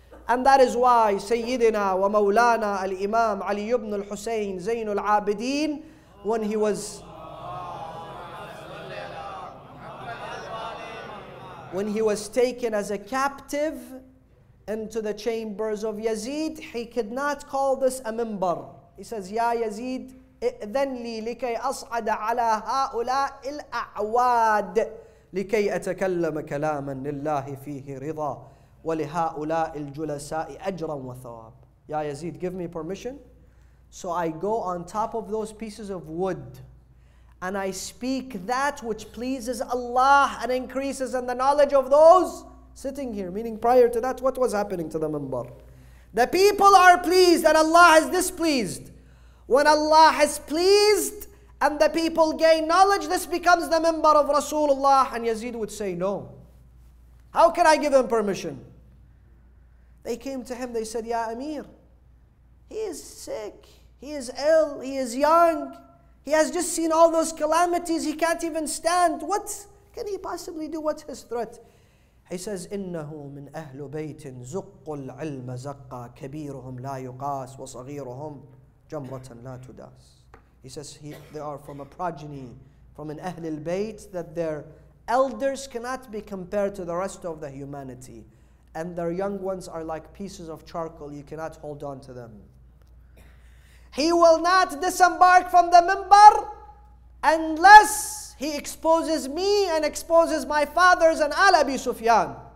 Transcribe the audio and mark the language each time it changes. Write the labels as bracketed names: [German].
[English] And that is why Sayyidina wa Mawlana al-Imam Ali ibn al-Husayn Zainul Abideen, when he was taken as a captive into the chambers of Yazid, he could not call this a minbar. He says, Ya Yazid, [Arabic] اِئْذَنْ لِي لِكَيْ أَصْعَدَ عَلَى هَؤُلَاءِ الْأَعْوَادِ لِكَيْ أَتَكَلَّمَ كَلَامًا لِلَّهِ فِيهِ رِضَى وَلِهَؤُلَاءِ الْجُلَسَاءِ أَجْرًا وَثَوَابًا. [English] Ya Yazid, give me permission. So I go on top of those pieces of wood and I speak that which pleases Allah and increases in the knowledge of those sitting here. Meaning prior to that, what was happening to the minbar? The people are pleased and Allah is displeased. When Allah is pleased and the people gain knowledge, this becomes the minbar of Rasulullah. And Yazid would say, no. How can I give him permission? They came to him, they said, Ya Amir, he is sick, he is ill, he is young. He has just seen all those calamities, he can't even stand. What can he possibly do? What's his threat? He says, [Arabic] إِنَّهُ مِنْ أَهْلُ بَيْتٍ زُقُّ الْعِلْمَ زَقَّى كَبِيرُهُمْ لَا يُقَاسُ وَصَغِيرُهُمْ جَمْرَةً لَا تُدَاسُ. [English] He says, they are from a progeny, from an Ahl al-Bayt, that their elders cannot be compared to the rest of the humanity. And their young ones are like pieces of charcoal, you cannot hold on to them. He will not disembark from the minbar unless he exposes me and exposes my fathers and Ali Abi Sufyan.